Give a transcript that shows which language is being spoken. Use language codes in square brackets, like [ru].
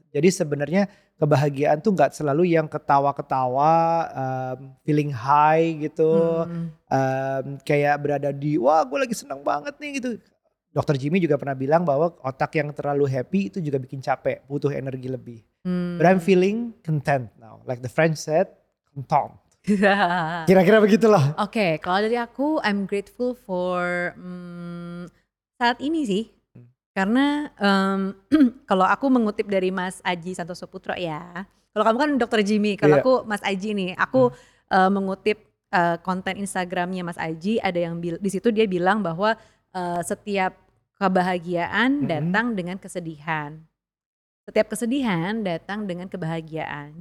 [id] Jadi sebenarnya kebahagiaan tuh gak selalu yang ketawa-ketawa, feeling high gitu, kayak berada di, wah gue lagi senang banget nih gitu. Dokter Jimmy juga pernah bilang bahwa otak yang terlalu happy itu juga bikin capek, butuh energi lebih. [en] But I'm feeling content now, like the French said, content. [id] Kira-kira begitulah. Okay, kalau dari aku, I'm grateful for saat ini sih. Karena kalau aku mengutip dari Mas Aji Santoso Putra ya, kalau kamu kan Dokter Jimmy, kalau aku Mas Aji nih, aku mengutip konten Instagramnya Mas Aji, ada yang di situ dia bilang bahwa setiap kebahagiaan datang dengan kesedihan, setiap kesedihan datang dengan kebahagiaan.